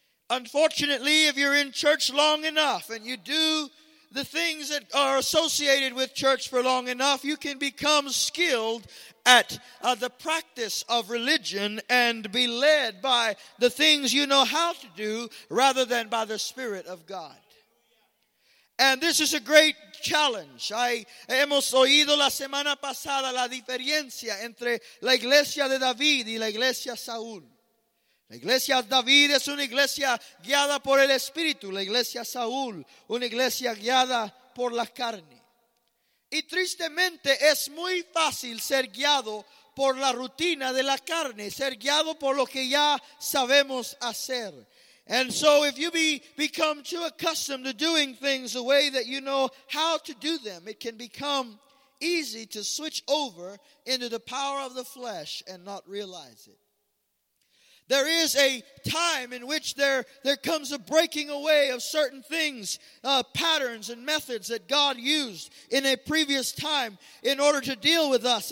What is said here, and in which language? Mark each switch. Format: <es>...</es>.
<en>Unfortunately, if you're in church long enough and you do the things that are associated with church for long enough, you can become skilled at the practice of religion and be led by the things you know how to do rather than by the Spirit of God. And this is a great challenge.</en> <es>Hemos oído la semana pasada la diferencia entre la iglesia de David y la iglesia Saúl. La iglesia David es una iglesia guiada por el Espíritu. La iglesia Saúl, una iglesia guiada por la carne. Y tristemente es muy fácil ser guiado por la rutina de la carne, ser guiado por lo que ya sabemos hacer.</es> <en>And so if you become too accustomed to doing things the way that you know how to do them, it can become easy to switch over into the power of the flesh and not realize it. There is a time in which there comes a breaking away of certain things, patterns and methods that God used in a previous time in order to deal with us.</en>